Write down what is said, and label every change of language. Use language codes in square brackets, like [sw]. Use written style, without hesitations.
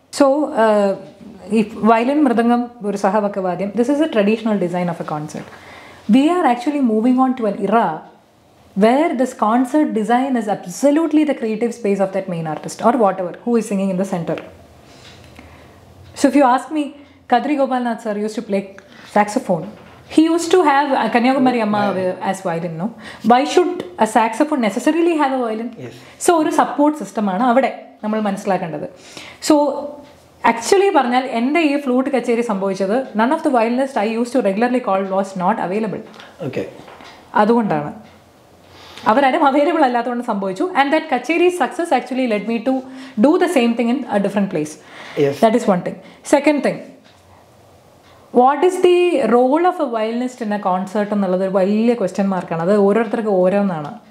[ml] So ഈ violin mridangam ഒരു സഹവക്കവാദ്യം. [en] This is a traditional design of a concert. We are actually moving on to an era where this concert design is absolutely the creative space of that main artist or whatever who is singing in the centre. So if you ask me, Kadri Gopalnath sir used to play saxophone. He used to have Kanyakumari Amma as violin, no? Why should a saxophone necessarily have a violin? Yes. [ml] So, oru support system aanu avade nammal manasilakkanathu. [en] So, actually [ml] parnal ende ee flute kacheri sambhavichathu, [en] none of the violinists I used to regularly call was not available. Okay. [ml] Adukondaanu. അവരാരും available അല്ലാത്തതുകൊണ്ട് സംഭവിച്ചു. [en] And that kacheri success actually led me to do the same thing in a different place. That is one thing. Second thing, what is the role of a violinist in a concert [ml] എന്നുള്ളത് ഒരു വലിയ question മാർക്കാണ്. അത് ഓരോരുത്തർക്ക് ഓരോന്നാണ്.